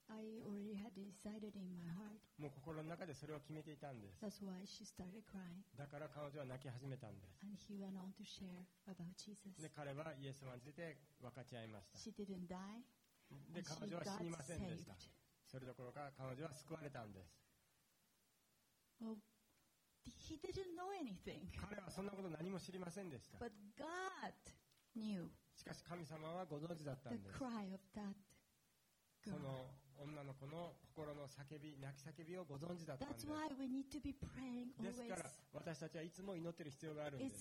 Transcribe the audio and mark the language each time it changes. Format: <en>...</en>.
<en>I already had decided in my heart.</en> <ja>もう心の中でそれを決めていたんです。</ja> <en>That's why she started crying.</en> <ja>だから彼女は泣き始めたんです。</ja> <en>And he went on to share about Jesus.</en> <ja>で彼はイエス様について分かち合いました。</ja> <en>She didn't die.</en> <ja>で彼女は死にませんでした。それどころか彼女は救われたんです。</ja> <en>Well, he didn't know anything.</en> <ja>彼はそんなこと何も知りませんでした。</ja> <en>But God knew.</en> <ja>しかし神様はご存知だったんです。</ja> <en>The cry of that.</en> <ja>その女の子の心の叫び、泣き叫びをご存知だったんです。ですから私たちはいつも祈ってる必要があるんです。</ja>